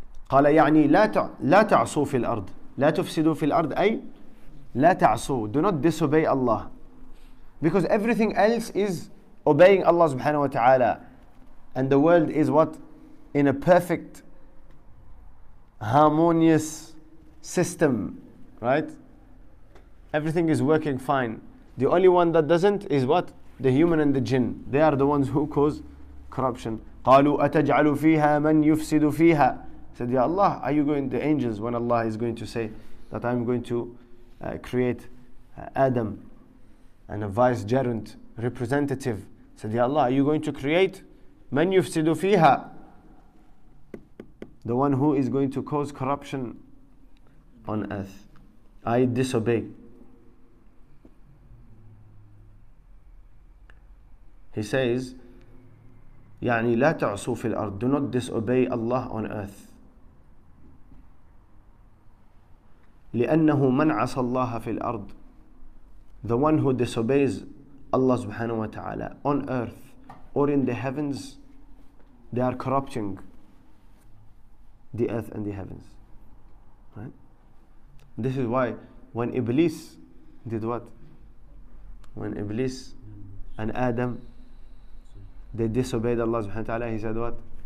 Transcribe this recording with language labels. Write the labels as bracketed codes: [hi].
[ar] قال يعني لا تعصوا في الأرض لا تفسدوا في الأرض أي لا تعصوا. [en] Do not disobey Allah, because everything else is obeying Allah subhanahu wa ta'ala, and the world is what? In a perfect harmonious system, right? Everything is working fine. The only one that doesn't is what? The human and the jinn. They are the ones who cause corruption. [ar] قالوا أتجعل فيها من يفسد فيها. [en] Said, Ya Allah, are you going, the angels, when Allah is going to say that I'm going to create Adam and a vicegerent representative. Said, Ya Allah, are you going to create [ar] من يفسد فيها? [en] The one who is going to cause corruption on earth. I disobey. He says, [ar] يعني لا تعصوا في الأرض. [en] Do not disobey Allah on earth. [ar] لأنه من عصى الله في الأرض. [en] The one who disobeys Allah subhanahu wa ta'ala on earth or in the heavens, they are corrupting the earth and the heavens. Right? This is why when Iblis did what? When Iblis and Adam, they disobeyed Allah subhanahu wa ta'ala, he said what?